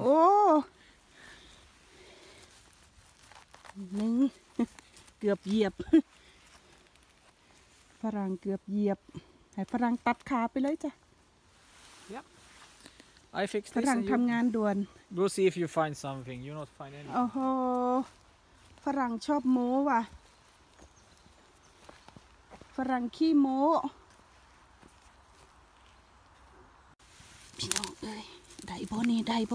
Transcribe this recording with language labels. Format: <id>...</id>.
<th>โอ้หนึ่งเกือบเหยียบฝรั่งเกือบเหยียบให้ฝรั่งตัดขาไปเลยจ้ะ</th> <en>yep I fixed</en> <th>ฝรั่งทำงานด่วน</th> <en>we'll see if you find something you not find anything</en> <th>โอ้โหฝรั่งชอบโม้ว่ะฝรั่งขี้โม้พี่น้องเอ้ยได้บ่นี่ได้บ</th>